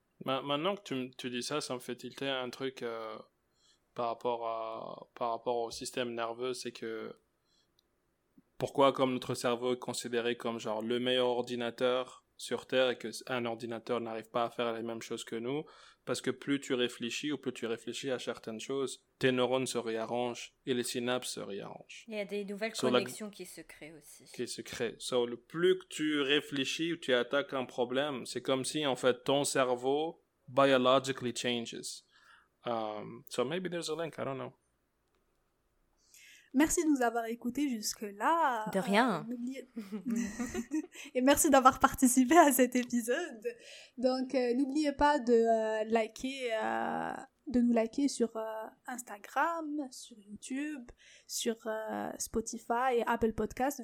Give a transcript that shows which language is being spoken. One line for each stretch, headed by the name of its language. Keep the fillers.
French: maintenant que tu, tu dis ça, ça me fait tilter un truc euh, par, rapport à, par rapport au système nerveux, c'est que pourquoi comme notre cerveau est considéré comme genre le meilleur ordinateur, sur Terre et qu'un ordinateur n'arrive pas à faire les mêmes choses que nous, parce que plus tu réfléchis ou plus tu réfléchis à certaines choses, tes neurones se réarrangent et les synapses se réarrangent. Il y a des nouvelles so connexions la... qui se créent aussi. Qui se créent. So, le plus que tu réfléchis ou tu attaques un problème, c'est comme si en fait ton cerveau
English: biologically changes. Um, so maybe there's a link, I don't know.
French: Merci de nous avoir écoutés jusque-là. De rien. Euh, et merci d'avoir participé à cet épisode. Donc, euh, n'oubliez pas de, euh, liker, de nous liker sur Instagram, sur YouTube, sur Spotify et Apple Podcast.